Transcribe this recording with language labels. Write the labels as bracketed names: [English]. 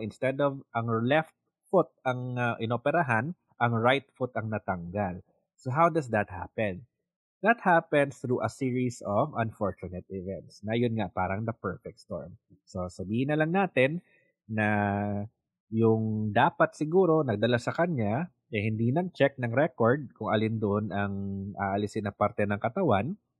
[Filipino] Instead of ang left foot ang inoperahan, ang right foot ang natanggal. [English] So how does that happen? That happens through a series of unfortunate events. [Filipino] Na yun nga, parang [English] the perfect storm. [Filipino] So sabihin na lang natin na yung dapat siguro nagdala sa kanya, eh hindi nag-check ng record kung alin doon ang aalisin na parte ng katawan.